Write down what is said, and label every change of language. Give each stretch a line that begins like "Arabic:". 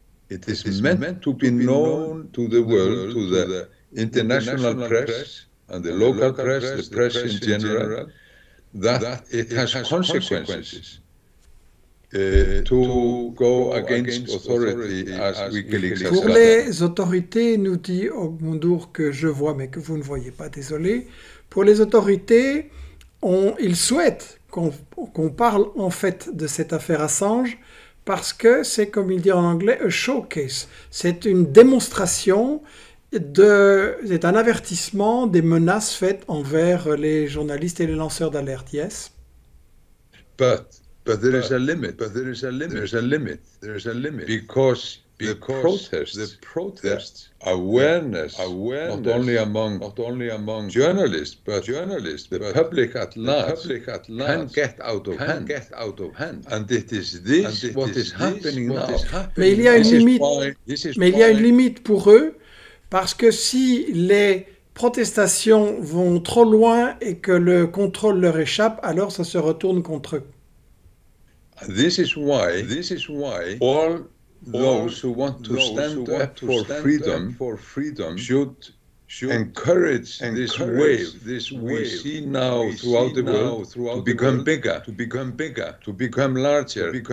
English: It is meant to be known to the world, to the international press and the local press, the press in general, that it has consequences to go against authority as WikiLeaks has.
French: Pour les autorités, nous dit Ogmundur que je vois mais que vous ne voyez pas, désolé. Pour les autorités, ils souhaitent qu'on parle en fait de cette affaire Assange. Parce que c'est, comme il dit en anglais,
English: a showcase.
French: C'est une démonstration, c'est un avertissement des menaces faites envers les journalistes et les lanceurs d'alerte.
English: Yes. But there is a limit. But there is a limit. There is a limit. There is a limit. Because the protests, awareness, not only among journalists, but the public at large, can get out of hand. And it is what is happening now.
French: Mais il y a une limite pour eux, parce que si les protestations vont trop loin et que le contrôle leur échappe, alors ça se retourne contre eux.
English: This is why all those who want to stand up for freedom should encourage this wave we see now throughout the world to become larger.